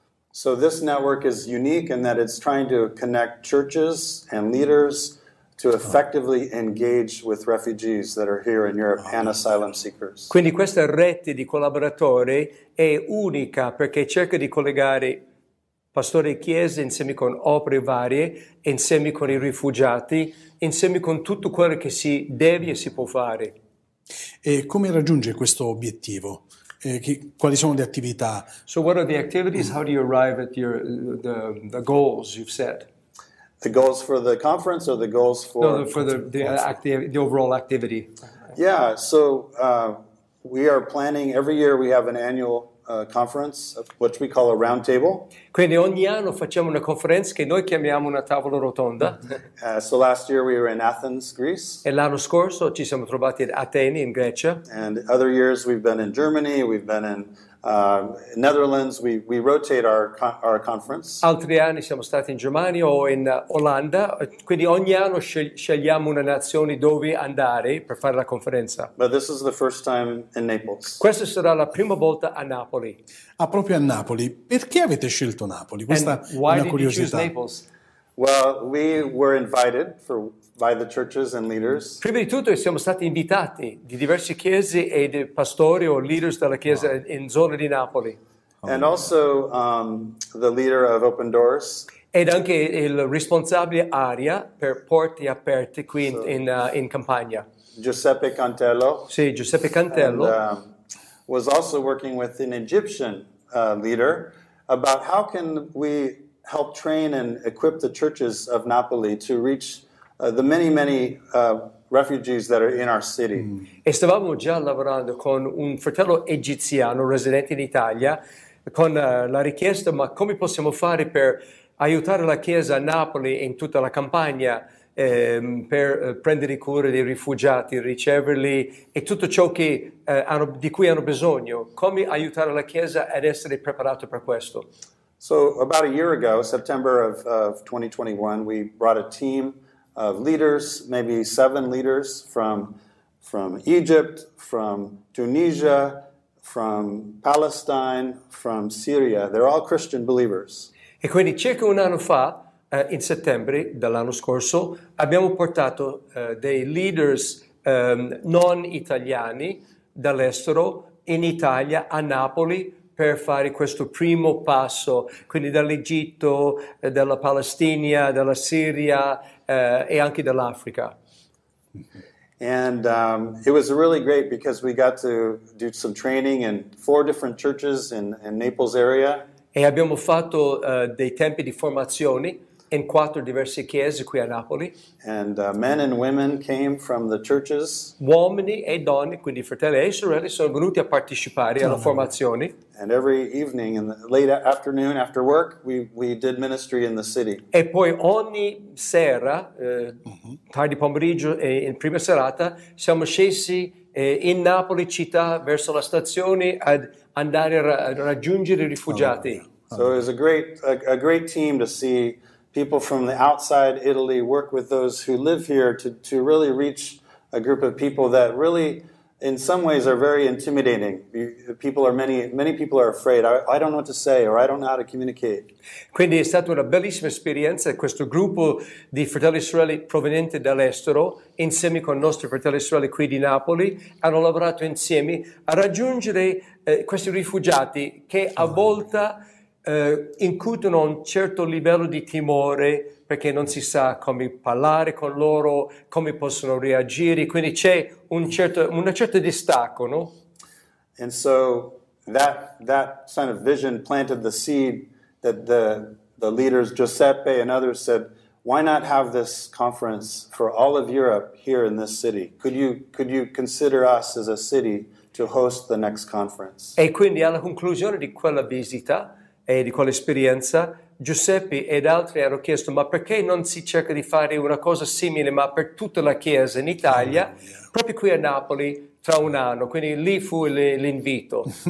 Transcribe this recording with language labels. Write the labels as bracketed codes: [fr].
[en] So this network is unique in that it's trying to connect churches and leaders to effectively engage with refugees that are here in Europe and asylum seekers. [it] Quindi questa rete di collaboratori è unica perché cerca di collegare pastori e chiese insieme con opere varie, insieme con i rifugiati, insieme con tutto quello che si deve e si può fare. E come raggiunge questo obiettivo? Quali sono le attività? [en] So what are the activities? How do you arrive at the goals you've set? The goals for the conference or the goals for... No, for the overall activity. Yeah, so we are planning, every year we have an annual conference, which we call a round table. [it] Quindi ogni anno facciamo una conferenza che noi chiamiamo una tavola rotonda. [en] So last year we were in Athens, Greece. [it] E l'anno scorso ci siamo trovati ad Atene, in Grecia. [en] And other years we've been in Germany, we've been in Netherlands, we rotate our conference. [it] Altri anni siamo stati in Germania o in Olanda, quindi ogni anno scegliamo una nazione dove andare per fare la conferenza. [en] But this is the first time in Naples. [it] Questa sarà la prima volta a Napoli. Ah, proprio a Napoli. Perché avete scelto Napoli? Questa è una curiosità. [en] And why did you choose Naples? Well, we were invited by the churches and leaders. [it] Prima di tutto siamo stati invitati di diverse chiese e di pastori o leaders della chiesa in zona di Napoli. [en] And also the leader of Open Doors. [it] Ed anche il responsabile area per porte aperte qui in Campania. Giuseppe Cantello. Sì, Giuseppe Cantello. [en] And, was also working with an Egyptian leader about how can we help train and equip the churches of Napoli to reach the many, many refugees that are in our city. [it] E stavamo già lavorando con un fratello egiziano residente in Italia con la richiesta, ma come possiamo fare per aiutare la chiesa a Napoli e in tutta la campagna per prendere cura dei rifugiati, riceverli e tutto ciò che di cui hanno bisogno. Come aiutare la chiesa ad essere preparato per questo? [en] So about a year ago, September of 2021, we brought a team of leaders, maybe 7 leaders from Egypt, from Tunisia, from Palestine, from Syria. They're all Christian believers. [it] E quindi circa un anno fa, in settembre dell'anno scorso, abbiamo portato dei leaders non italiani dall'estero in Italia, a Napoli, per fare questo primo passo, quindi dall'Egitto, dalla Palestina, dalla Siria e anche dall'Africa. [en] And it was really great because we got to do some training in 4 different churches in Naples area. [it] E abbiamo fatto dei tempi di formazione in 4 diverse chiese qui a Napoli. [en] And men and women came from the churches. [it] Uomini e donne, quindi fratelli e sorelle, sono venuti a partecipare alla formazione. [en] And every evening, in the late afternoon, after work, we did ministry in the city. [it] E poi ogni sera, tardi pomeriggio e in prima serata, siamo scesi in Napoli città verso la stazione ad andare a raggiungere i rifugiati. [en] So it was a great team to see people from the outside Italy work with those who live here to really reach a group of people that really in some ways are very intimidating. People are many people are afraid. I don't know what to say or I don't know how to communicate. [it] Quindi è stata una bellissima esperienza questo gruppo di fratelli e sorelle provenienti dall'estero insieme con nostri fratelli e sorelle qui di Napoli hanno lavorato insieme a raggiungere questi rifugiati che a volta incutono un certo livello di timore perché non si sa come parlare con loro, come possono reagire, quindi c'è un certo distacco, no? [en] And so that kind of vision planted the seed that the leaders Giuseppe and others said, why not have this conference for all of Europe here in this city? Could you consider us as a city to host the next conference. [it] E quindi alla conclusione di quella visita e di quell'esperienza, Giuseppe ed altri hanno chiesto: ma perché non si cerca di fare una cosa simile, ma per tutta la Chiesa in Italia, proprio qui a Napoli, tra un anno? Quindi lì fu l'invito.